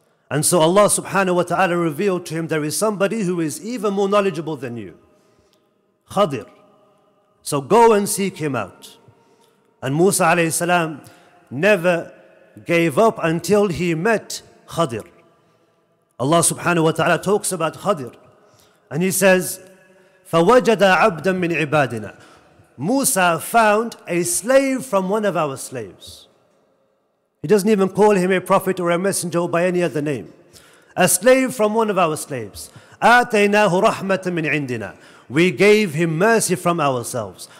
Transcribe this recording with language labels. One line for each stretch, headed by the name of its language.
English: And so Allah subhanahu wa ta'ala revealed to him, there is somebody who is even more knowledgeable than you. Khadir. So go and seek him out. And Musa alayhi salam never gave up until he met Khadir. Allah subhanahu wa ta'ala talks about Khadir. And he says,
Arabic: فَوَجَدَ عَبْدًا مِّنْ عِبَادِنَا.
English: Musa found a slave from one of our slaves. He doesn't even call him a prophet or a messenger or by any other name. A slave from one of our slaves.
Arabic: آتَيْنَاهُ رَحْمَةً مِّنْ عِنْدِنَا.
English: We gave him mercy from ourselves.